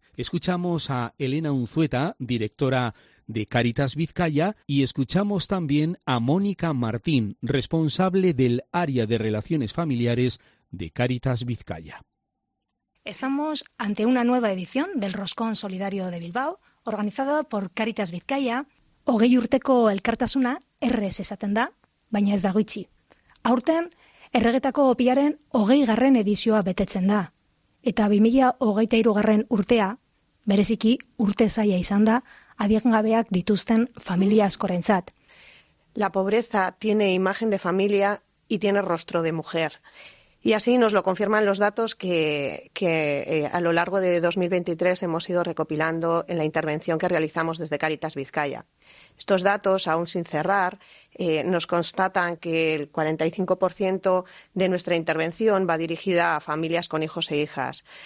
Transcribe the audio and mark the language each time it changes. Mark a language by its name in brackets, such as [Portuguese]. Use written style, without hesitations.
[Spanish] Escuchamos a Elena Unzueta, directora de Cáritas Vizcaya, y escuchamos también a Mónica Martín, responsable del área de relaciones familiares de Cáritas Vizcaya. Estamos ante una nueva edición del Roscón Solidario de Bilbao, organizada por Cáritas Vizcaya. [Basque] Hogei urteko elkartasuna errez esaten da, baina ez dago itxi. Aurten, erregetako opiaren 20. edizioa betetzen da. Eta 2023. urtea, bereziki urte zaila izan da, adiengabeak dituzten familia askorentzat. [Spanish] La pobreza tiene imagen de familia y tiene rostro de mujer. Y así nos lo confirman los datos que a lo largo de 2023 hemos ido recopilando en la intervención que realizamos desde Cáritas Vizcaya. Estos datos, aún sin cerrar, nos constatan que el 45% de nuestra intervención va dirigida a familias con hijos e hijas.